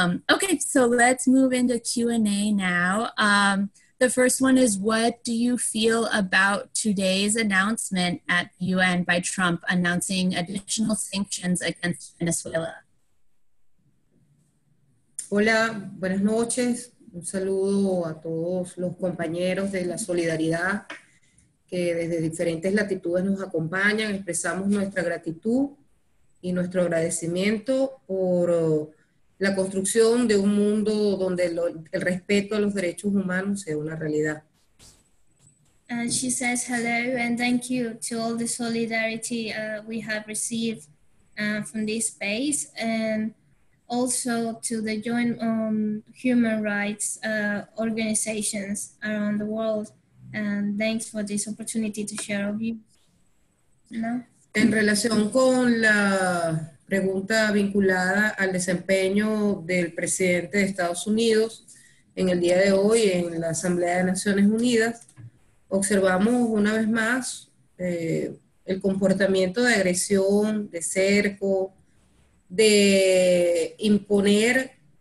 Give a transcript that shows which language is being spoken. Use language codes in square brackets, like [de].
[en] Okay, so let's move into Q&A now. The first one is, what do you feel about today's announcement at UN by Trump announcing additional sanctions against Venezuela? [es] Hola, buenas noches. Un saludo a todos los compañeros de la solidaridad que desde diferentes latitudes nos acompañan. Expresamos nuestra gratitud y nuestro agradecimiento por la construcción de un mundo donde el respeto a los derechos humanos sea una realidad. [en] And she says hello and thank you to all the solidarity we have received from this space and also to the joint human rights organizations around the world. And thanks for this opportunity to share our views. [es] No? En relación con la pregunta vinculada al desempeño del presidente de Estados Unidos en el día de hoy en la Asamblea de Naciones Unidas, observamos una vez más el comportamiento de agresión, de cerco, de imponer